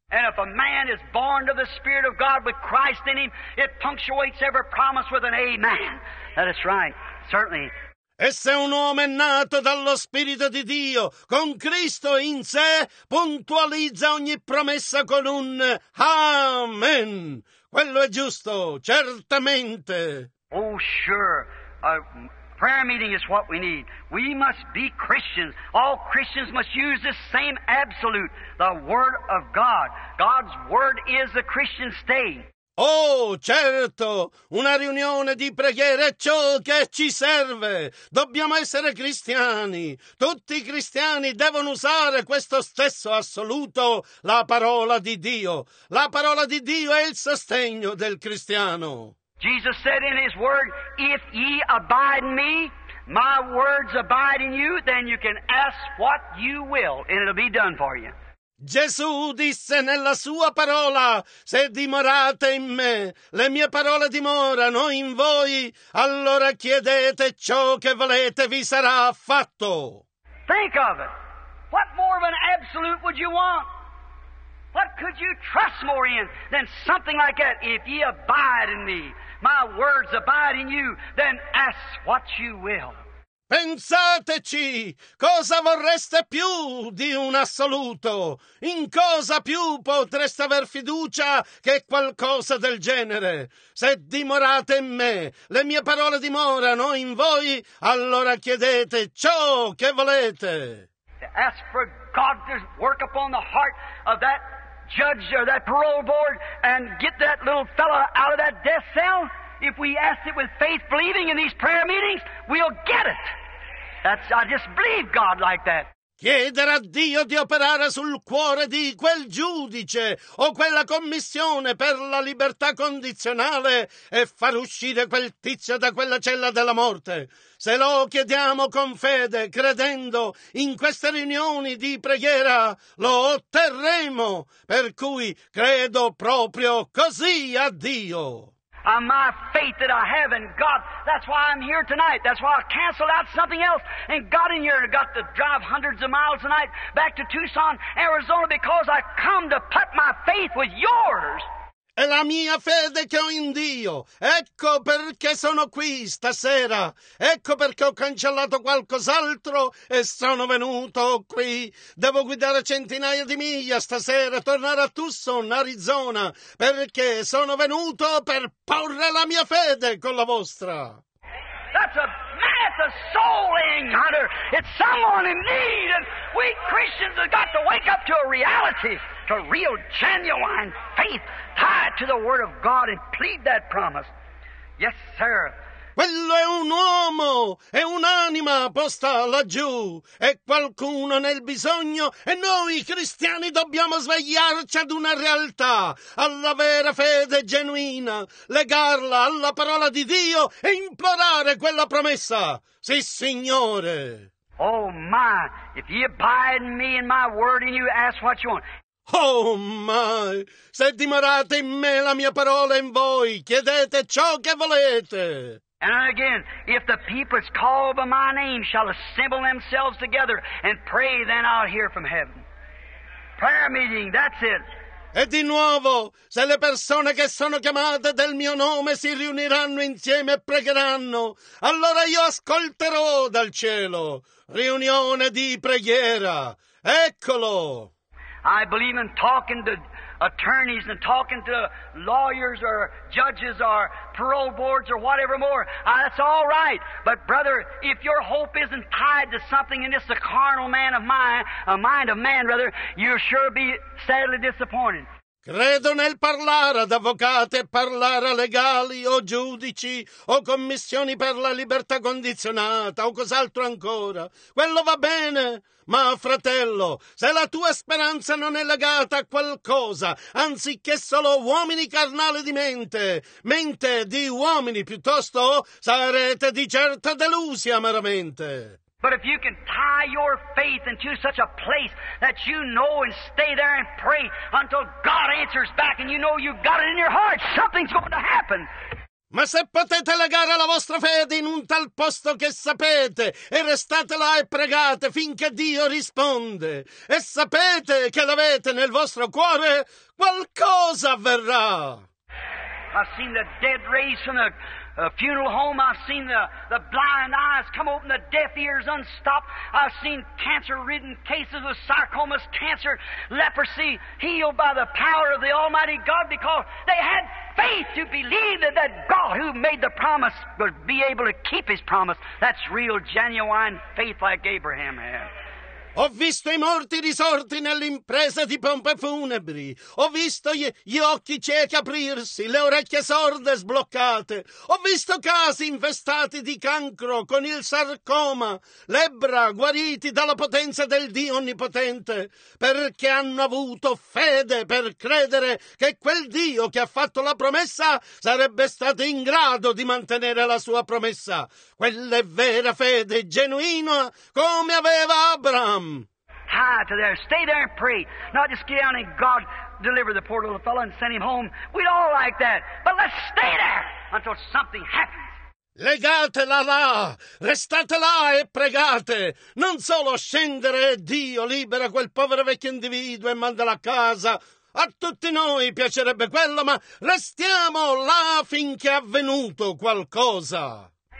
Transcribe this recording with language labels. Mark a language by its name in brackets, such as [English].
[English] And if a man is born of the Spirit of God with Christ in him, it punctuates every promise with an amen. That is right, certainly. [Italian] E se un uomo è nato dallo Spirito di Dio, con Cristo in sé, puntualizza ogni promessa con un amen. Quello è giusto, certamente. [English] Oh, sure. A prayer meeting is what we need. We must be Christians. All Christians must use this same absolute, the Word of God. God's Word is the Christian state. [Italian] Oh, certo, una riunione di preghiera è ciò che ci serve. Dobbiamo essere cristiani. Tutti i cristiani devono usare questo stesso assoluto, la parola di Dio. La parola di Dio è il sostegno del cristiano. [English] Jesus said in his word, if ye abide in me, my words abide in you, then you can ask what you will, and it'll be done for you. [Italian] Gesù disse nella sua parola, se dimorate in me, le mie parole dimorano in voi, allora chiedete ciò che volete, vi sarà fatto. [English] Think of it. What more of an absolute would you want? What could you trust more in than something like that? If ye abide in me, my words abide in you, then ask what you will. [Italian] Pensateci, cosa vorreste più di un assoluto? In cosa più potreste aver fiducia che qualcosa del genere? Se dimorate in me, le mie parole dimorano in voi, allora chiedete ciò che volete. [English] To ask for God to work upon the heart of that judge or that parole board and get that little fellow out of that death cell, if we ask it with faith, believing in these prayer meetings, we'll get it. That's, I just believe God like that. [Italian] Chiedere a Dio di operare sul cuore di quel giudice o quella commissione per la libertà condizionale e far uscire quel tizio da quella cella della morte. Se lo chiediamo con fede, credendo in queste riunioni di preghiera, lo otterremo. Per cui credo proprio così a Dio. [English] And my faith that I have in God, that's why I'm here tonight. That's why I canceled out something else and got in here and got to drive hundreds of miles tonight back to Tucson, Arizona, because I come to put my faith with yours. [Italian] È la mia fede che ho in Dio. Ecco perché sono qui stasera. Ecco perché ho cancellato qualcos'altro e sono venuto qui. Devo guidare centinaia di miglia stasera, tornare a Tucson, Arizona, perché sono venuto per porre la mia fede con la vostra. [English] That's a soul-winning hunter. It's someone in need, and we Christians have got to wake up to a reality. To real, genuine faith tied to the Word of God and plead that promise. Yes, sir. [Italian] Quello è un uomo, è un'anima posta laggiù, è qualcuno nel bisogno e noi cristiani dobbiamo svegliarci ad una realtà, alla vera fede genuina, legarla alla parola di Dio e implorare quella promessa. Sì, Signore. [English] Oh, my, if you abide in me and my word in you, ask what you want. Oh my, [Italian] se dimorate in me la mia parola in voi, chiedete ciò che volete. [English] And again, if the people is called by my name shall assemble themselves together and pray, then I'll hear from heaven. Prayer meeting, that's it. [Italian] E di nuovo, se le persone che sono chiamate del mio nome si riuniranno insieme e pregheranno, allora io ascolterò dal cielo. Riunione di preghiera. Eccolo. [English] I believe in talking to attorneys and talking to lawyers or judges or parole boards or whatever more. That's all right. But brother, if your hope isn't tied to something and it's a carnal man of mine, a mind of man rather, you'll sure be sadly disappointed. [Italian] Credo nel parlare ad avvocati, parlare a legali o giudici o commissioni per la libertà condizionata o cos'altro ancora. Quello va bene, ma fratello, se la tua speranza non è legata a qualcosa, anziché solo uomini carnali di mente, mente di uomini piuttosto, sarete di certo delusi amaramente. [English] But if you can tie your faith into such a place that you know and stay there and pray until God answers back and you know you've got it in your heart, something's going to happen. [Italian] Ma se potete legare la vostra fede in un tal posto che sapete e restate là e pregate finché Dio risponde e sapete che l'avete nel vostro cuore, qualcosa avverrà. [English] I've seen the dead raised from the funeral home. I've seen the blind eyes come open, the deaf ears unstopped. I've seen cancer-ridden cases of sarcomas, cancer, leprosy healed by the power of the Almighty God because they had faith to believe that God who made the promise would be able to keep his promise. That's real, genuine faith like Abraham had. [Italian] Ho visto i morti risorti nell'impresa di pompe funebri. Ho visto gli occhi ciechi aprirsi, le orecchie sorde sbloccate. Ho visto casi infestati di cancro con il sarcoma, lebbra guariti dalla potenza del Dio Onnipotente, perché hanno avuto fede per credere che quel Dio che ha fatto la promessa sarebbe stato in grado di mantenere la sua promessa. Quella è vera fede, genuina, come aveva Abramo. [English] Tie to there. Stay there and pray. Not just get down and God deliver the poor little fellow and send him home. We'd all like that. But let's stay there until something happens. [Italian] Legatela là. Restate là e pregate. Non solo scendere, Dio libera quel povero vecchio individuo e mandalo a casa. A tutti noi piacerebbe quello, ma restiamo là finché è avvenuto qualcosa.